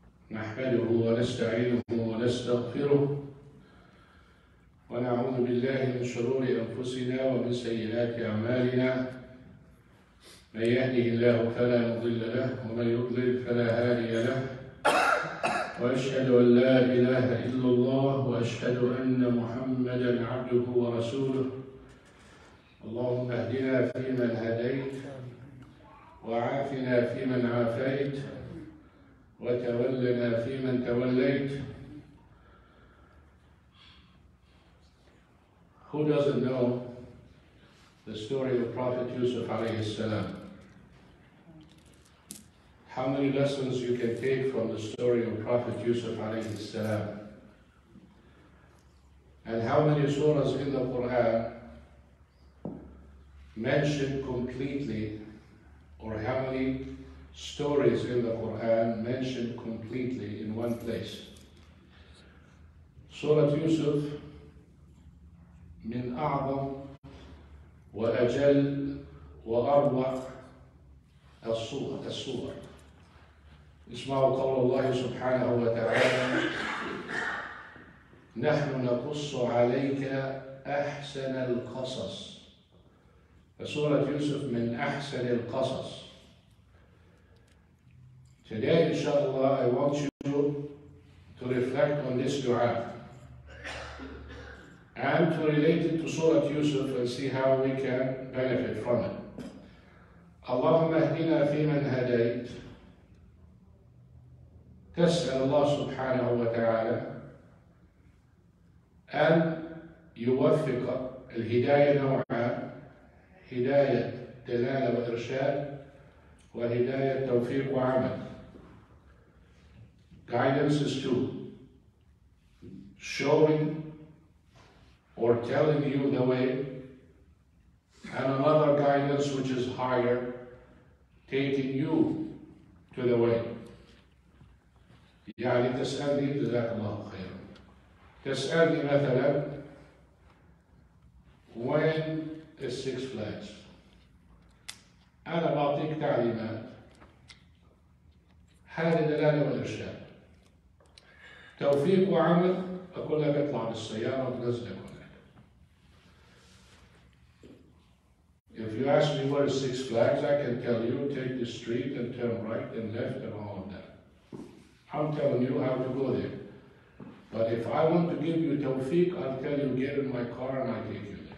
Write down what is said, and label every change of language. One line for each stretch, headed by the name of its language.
Arabic: نحمده ونستعينه ونستغفره ونعوذ بالله من شرور أنفسنا ومن سيئات أعمالنا، من يهده الله فلا مضل له ومن يضلل فلا هادي له، وأشهد أن لا إله إلا الله وأشهد أن محمدا عبده ورسوله. اللهم اهدنا فيمن هديت وعافنا فيمن عافيت وتولنا فيمن توليت.
English: Who doesn't know the story of Prophet Yusuf
Arabic: عليه السلام?
English: How many lessons you can take from the story of Prophet Yusuf
Arabic: عليه السلام?
English: And how many surahs in the Quran mention completely, or how many stories in the Quran mentioned completely in one place?
Arabic: Surah Yusuf من أعظم وأجل وأروع الصور. اسمعوا قول الله سبحانه وتعالى: نحن نقص عليك أحسن القصص. فسورة يوسف من أحسن القصص.
English: Today, inshallah, I want you to reflect on this dua and to relate it to سورة يوسف and see how we can benefit from it.
Arabic: اللهم اهدنا فيمن هديت. تسأل الله سبحانه وتعالى أن يوفق الهداية نوعان: هداية دلالة وإرشاد، وهداية توفيق وعمل.
English: Guidance is two: showing or telling you the way, and another guidance which is higher, taking you to the way.
Arabic: يعني تسألني جزاك الله خيرا. تسألني مثلا وين السكس فلاجز؟ أنا بعطيك تعليمات، هذه دلالة والإرشاد. توفيق وعمل أقول لك اطلع بالسيارة وتنزلك هناك.
English: If you ask me where the six flags, I can tell you take the street and turn right and left and all of that. I'm telling you how to go there. But if I want to give you توفيق, I'll tell you get in my car and I take you.